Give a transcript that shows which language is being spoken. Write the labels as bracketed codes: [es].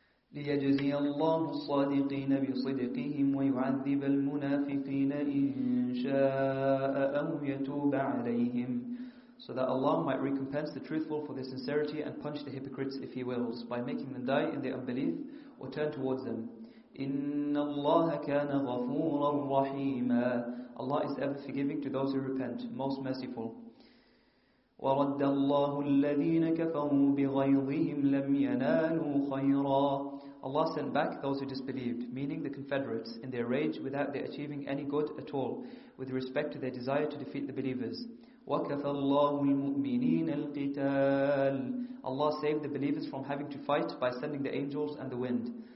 [ar] ليجزي الله الصادقين بصدقهم ويعذب المنافقين إن شاء أو يتوب عليهم. [en] So that Allah might recompense the truthful for their sincerity and punish the hypocrites if He wills, by making them die in their unbelief or turn towards them. [ar] إن الله كان غفورا رحيما. [en] Allah is ever forgiving to those who repent, most merciful. [ar] ورد الله الذين كفروا بغيظهم لم ينالوا خيرا. [en] Allah sent back those who disbelieved, meaning the confederates, in their rage without their achieving any good at all, with respect to their desire to defeat the believers. [ar] وَكَفَى اللَّهُ الْمُؤْمِنِينَ الْقِتَالِ [en] Allah saved the believers from having to fight by sending the angels and the wind.